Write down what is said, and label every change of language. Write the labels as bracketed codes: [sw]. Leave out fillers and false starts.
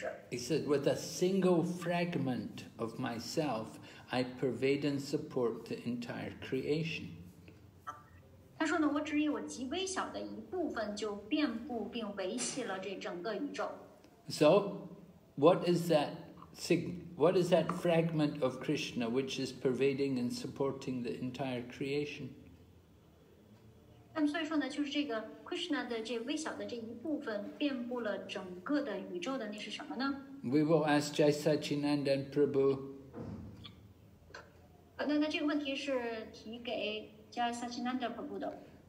[en] He said, with a single fragment of myself, I pervade and support the entire creation. [zh] 他说呢，我只有极微小的一部分就遍布并维系了这整个宇宙。 [en] So, what is that fragment of Krishna which is pervading and supporting the entire creation? [zh] 那么所以说呢，就是这个。 Krishna 的这微小的这一部分遍布了整个的宇宙的那是什么呢 [en] ？We will ask Jai Sachinandan Prabhu. [zh] 那这个问题是提给 Jai Sachinandan Prabhu 的。